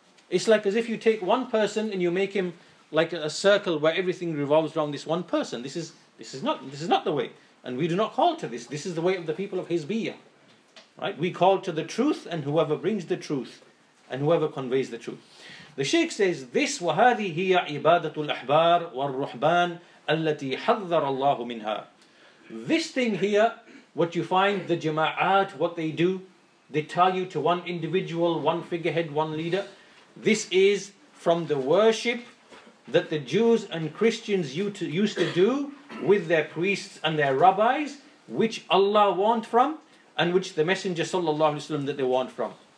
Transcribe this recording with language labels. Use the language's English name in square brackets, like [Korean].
[English] It's like as if you take one person and you make him like a circle where everything revolves around this one person. This is not the way. And we do not call to this. This is the way of the people of Hizbiyya. Right? We call to the truth, and whoever brings the truth and whoever conveys the truth. The Shaykh says this, [Arabic] وَهَذِي هِيَ عِبَادَةُ الْأَحْبَارِ وَالرُّحْبَانِ الَّتِي حَذَّرَ اللَّهُ مِنْهَا. [English] This thing here, what you find, the jama'at, what they do, they tell you to one individual, one figurehead, one leader. This is from the worship that the Jews and Christians used to do with their priests and their rabbis, which Allah warned from, and which the Messenger sallallahu alaihi wasallam that they warned from.